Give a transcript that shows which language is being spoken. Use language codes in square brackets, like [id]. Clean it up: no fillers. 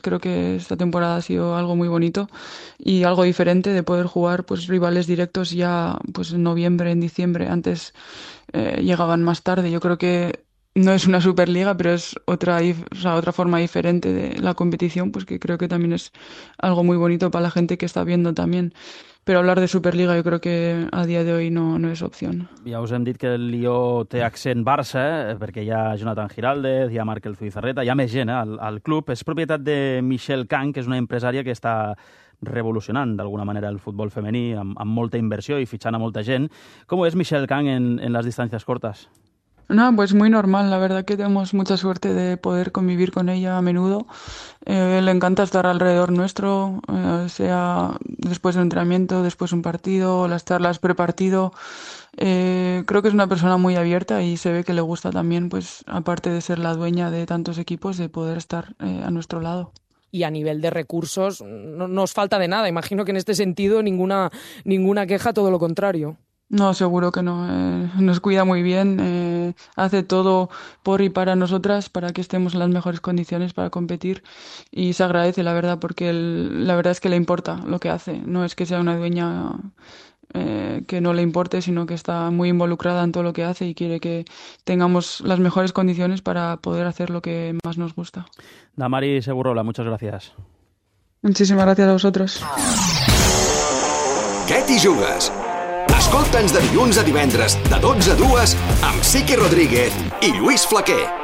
[es] Creo que esta temporada ha sido algo muy bonito y algo diferente de poder jugar pues rivales directos ya pues en noviembre, en diciembre. Antes llegaban más tarde. Yo creo que no es una Superliga, pero es otra forma diferente de la competición, pues que creo que también es algo muy bonito para la gente que está viendo también. [ca] Però hablar de Superliga jo crec que a dia d'avui no és opció. Ja us hem dit que el Lió té accent Barça, perquè hi ha Jonathan Giraldez, hi ha Markel Zubizarreta, hi ha més gent al club. És propietat de Michelle Kang, que és una empresària que està revolucionant d'alguna manera el futbol femení amb molta inversió i fitxant a molta gent. Com és Michelle Kang en les distàncies cortes? [es] No, pues muy normal. La verdad que tenemos mucha suerte de poder convivir con ella a menudo. Le encanta estar alrededor nuestro, sea después de un entrenamiento, después de un partido, las charlas prepartido. Creo que es una persona muy abierta y se ve que le gusta también, pues aparte de ser la dueña de tantos equipos, de poder estar a nuestro lado. Y a nivel de recursos, no os falta de nada. Imagino que en este sentido ninguna queja, todo lo contrario. No, seguro que no. Nos cuida muy bien, hace todo por y para nosotras, para que estemos en las mejores condiciones para competir y se agradece, la verdad, porque la verdad es que le importa lo que hace. No es que sea una dueña que no le importe, sino que está muy involucrada en todo lo que hace y quiere que tengamos las mejores condiciones para poder hacer lo que más nos gusta. Damari Segurrola, muchas gracias. Muchísimas gracias a vosotros. ¿Qué te jugas? [ca] Escolta'ns de dilluns a divendres de 12 a 2 amb Siki Rodríguez i Lluís Flaquer.